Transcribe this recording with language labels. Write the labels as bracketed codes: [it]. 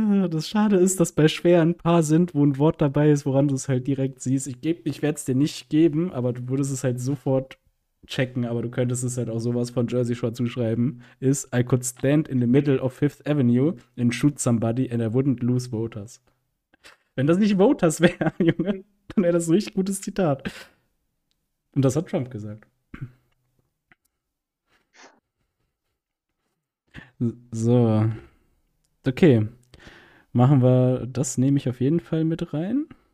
[de] Das Schade ist, dass bei schwer ein paar sind, wo ein Wort dabei ist, woran du es halt direkt siehst. Ich werde es dir nicht geben, aber du würdest es halt sofort checken. Aber du könntest es halt auch sowas von Jersey Shore zuschreiben. [en] Ist, I could stand in the middle of Fifth Avenue and shoot somebody and I wouldn't lose voters. [de] Wenn das nicht Voters wäre, Junge, dann wäre das ein richtig gutes Zitat. Und das hat Trump gesagt. So. Okay. Machen wir, das nehme ich auf jeden Fall mit rein.